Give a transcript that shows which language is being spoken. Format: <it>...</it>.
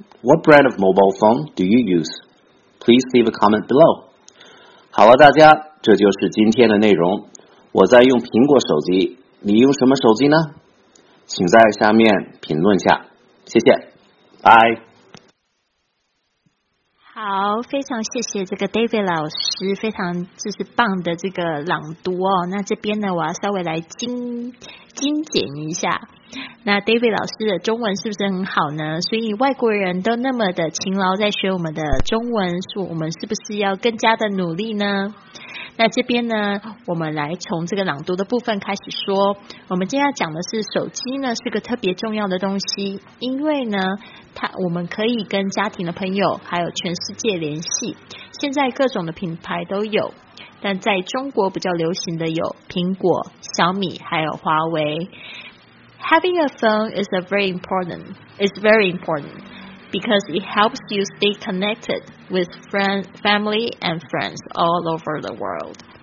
<en>What brand of mobile phone do you use? Please leave a comment below.</en> <zh>好了，大家，这就是今天的内容。我在用苹果手机，你用什么手机呢？请在下面评论下。谢谢，拜。好。好，非常谢谢这个 David 老师，非常就是棒的这个朗读哦。那这边呢，我要稍微来精简一下。那 David 老师的中文是不是很好呢？所以外国人都那么的勤劳在学我们的中文，说我们是不是要更加的努力呢？那这边呢，我们来从这个朗读的部分开始说。我们今天要讲的是手机呢是个特别重要的东西，因为呢它我们可以跟家庭的朋友还有全世界联系。现在各种的品牌都有，但在中国比较流行的有苹果、小米还有华为。</zh> <en>Having a phone is a very important. It's very important because it helps you stay connected with friend, family and friends all over the world.</en>